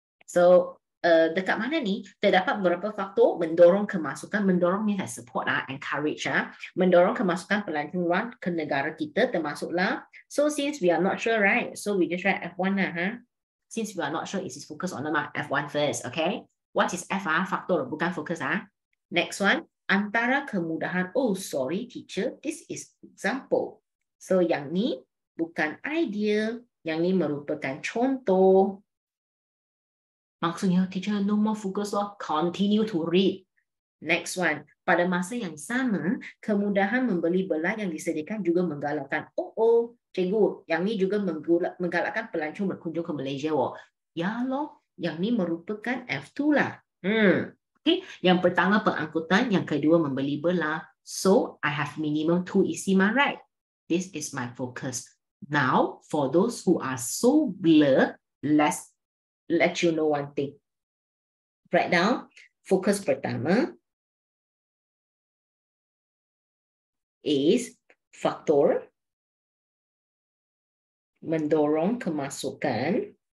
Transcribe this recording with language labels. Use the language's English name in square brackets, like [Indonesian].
[Malay] So, dekat mana ni, terdapat beberapa faktor mendorong kemasukan, mendorong ni [English] like support lah, encourage lah, [Malay] mendorong kemasukan pelancongan ke negara kita termasuklah. [English] So, since we are not sure, right? So, we just write F1 lah, huh? Since we are not sure, is it focus on the mark? F1 first, okay? What is F? [Malay] Faktor, bukan focus lah. Next one, antara kemudahan. [English] Oh, sorry, teacher, this is example. [Malay] So, yang ni, bukan idea, yang ni merupakan contoh. [English] Maksudnya, teacher, no more focus lah. Continue to read. Next one. [Malay] Pada masa yang sama, kemudahan membeli belah yang disediakan juga menggalakkan. Oh, cikgu, yang ni juga menggalakkan pelancong berkunjung ke Malaysia. Oh. Ya lo, yang ni merupakan F2 lah. Okay. Yang pertama, pengangkutan. Yang kedua, membeli belah. [English] So, I have minimum 2 isi, my right? This is my focus. Now, for those who are so blur, let's let you know one thing. Write down, focus pertama is [Malay] faktor mendorong kemasukan.